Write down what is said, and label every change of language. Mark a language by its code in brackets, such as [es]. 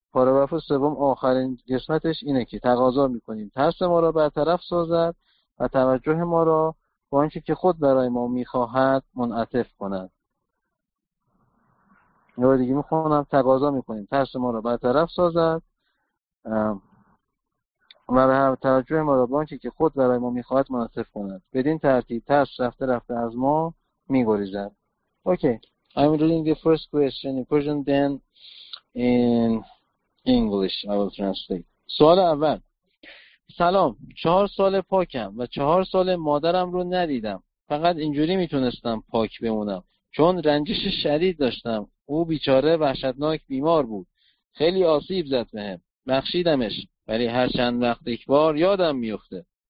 [fa] پاراگراف سوم آخرین قسمتش اینه که تقاضا میکنیم ترس ما را برطرف سازد و توجه ما را با آنچه که خود برای ما میخواهد منعطف کند. یه بار دیگه میخونم، تقاضا میکنیم ترس ما را برطرف سازد و توجه ما را با آنچه که خود برای ما میخواهد منعطف کند. بدین ترتیب ترس رفته رفته از ما میگریزد. اوکی. [en] I'm reading the first question in Persian, then in English. I will translate. [fa] سوال اول. سلام. 4 سال پاکم و 4 سال مادرم رو ندیدم. فقط اینجوری میتونستم پاک بمونم. چون رنجش شدید داشتم. او بیچاره وحشتناک بیمار بود. خیلی آسیب زد بهم. بخشیدمش. ولی هر چند وقت یک بار یادم میفته.